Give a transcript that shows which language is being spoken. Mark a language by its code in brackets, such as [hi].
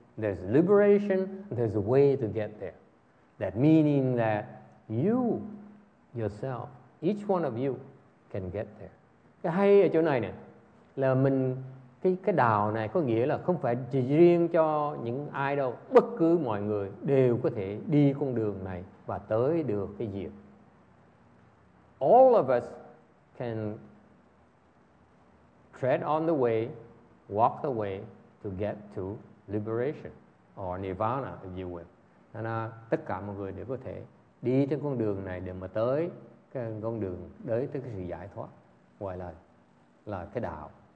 [en] There's liberation, there's a way to get there. That meaning that you yourself, each one of you can get there. [vi] Cái hay ở chỗ này nè là mình cái đạo này có nghĩa là không phải chỉ riêng cho những ai đâu, bất cứ mọi người đều có thể đi con đường này và tới được cái diệt. [en] All of us can tread on the way, walk the way to get to liberation or nirvana, if you will. [vi] Nên tất cả mọi người đều có thể đi trên con đường này để mà tới cái con đường đấy, tới cái sự giải thoát, gọi là cái đạo.